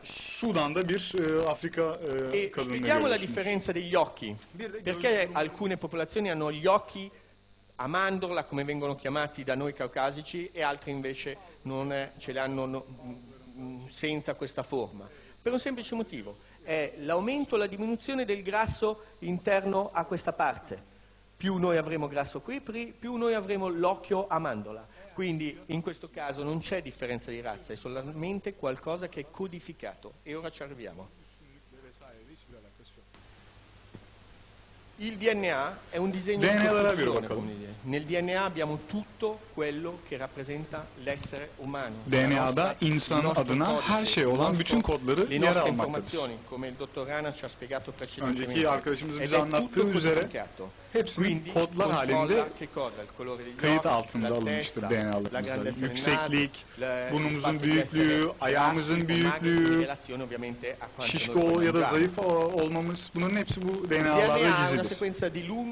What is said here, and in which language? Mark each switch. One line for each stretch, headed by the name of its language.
Turkish: Sudan'da bir Afrika kadını.
Italian: E spieghiamo la differenza degli occhi. Perché alcune popolazioni hanno gli occhi a mandorla, come vengono chiamati da noi caucasici, e altre invece non ce le hanno senza questa forma. Per un semplice motivo, è l'aumento o la diminuzione del grasso interno a questa parte. Più noi avremo grasso qui, più noi avremo l'occhio a mandorla. Quindi in questo caso non c'è differenza di razza, è solamente qualcosa che è codificato. E ora ci arriviamo. Il DNA è un disegno di costruzione. Nel DNA abbiamo tutto quello che rappresenta l'essere umano.
Turkish: DNA'da insan adına her şey olan bütün kodları yer almaktadır.
Italian: Le nostre informazioni, come il dottor Rana ci ha spiegato precedentemente.
Turkish: Önceki arkadaşımız bize anlattığı üzere hepsini kodlar halinde kayıt altında alınmıştır DNA'larımızda. Yükseklik, burnumuzun büyüklüğü, ayağımızın büyüklüğü, şişko ya da zayıf olmamız, bunların hepsi bu DNA'larda gizlidir.